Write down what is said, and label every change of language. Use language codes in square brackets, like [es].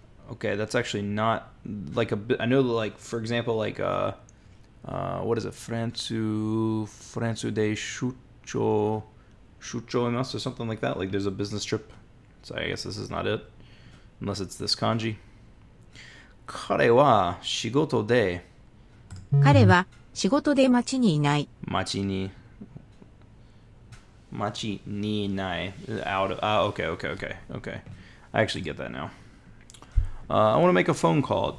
[en] Okay, that's actually not like a. I know, like for example, like what is it? [ja] Francu de Shucho imas [en] or something like that. Like there's a business trip. So I guess this is not it, unless it's this kanji. [ja] 彼は仕事で。彼は仕事で町にいない。町にいない。 [en] Out of, okay. I actually get that now. I want to make a phone call.